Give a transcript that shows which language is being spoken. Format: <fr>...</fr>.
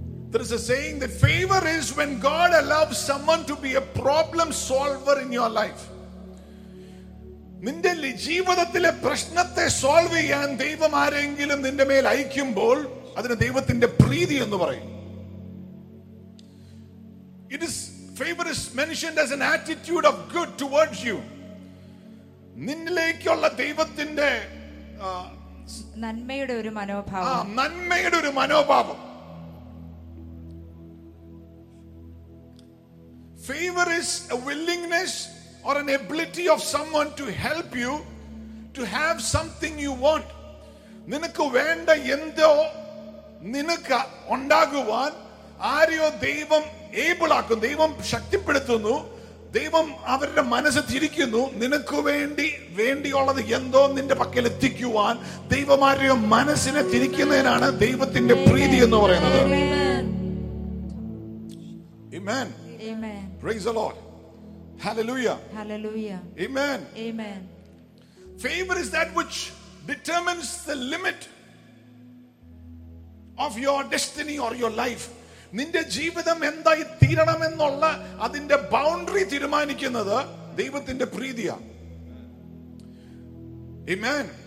<en>There is a saying that favor is when God allows someone to be a problem solver in your life.</en> <ml>നിന്റെ ജീവിതത്തിലെ പ്രശ്നത്തെ solve ചെയ്യാൻ ദൈവം ആരെങ്കിലും നിന്റെ മേൽ അയക്കുമ്പോൾ അതിന് ദൈവത്തിന്റെ പ്രീതി എന്ന് പറയും.</ml> <en>Favor is mentioned as an attitude of good towards you.</en> <ml>നിന്നിലേക്കുള്ള ദൈവത്തിന്റെ നന്മയുടെ ഒരു മനോഭാവം. നന്മയുടെ ഒരു മനോഭാവം.</ml> <en>Favor is a willingness or an ability of someone to help you to have something you want.</en> <ml>നിനക്ക് വേണ്ട എന്തോ നിനക്ക് ഉണ്ടാകുവാൻ ആരെയോ ദൈവം ഏബിളാക്കും, ദൈവം ശക്തിപ്പെടുത്തുന്നു, ദൈവം അവരുടെ മനസ്സ് തിരിക്കുന്നു. നിനക്ക് വേണ്ടിയുള്ളത് എന്തോ നിന്റെ പക്കൽ എത്തിക്കുവാൻ ദൈവമാരുടെ മനസ്സിനെ തിരിക്കുന്നതിനാണ് ദൈവത്തിന്റെ പ്രീതി എന്ന് പറയുന്നത്.</ml> <en>Amen. Amen. Praise the Lord. Hallelujah. Hallelujah. Amen. Amen. Favor is that which determines the limit of your destiny or your life.</en> <ml>നിന്റെ ജീവിതം എന്തായി തീരണമെന്നുള്ള അതിന്റെ ബൗണ്ടറി തീരുമാനിക്കുന്നത് ദൈവത്തിന്റെ പ്രീതിയാണ്.</ml>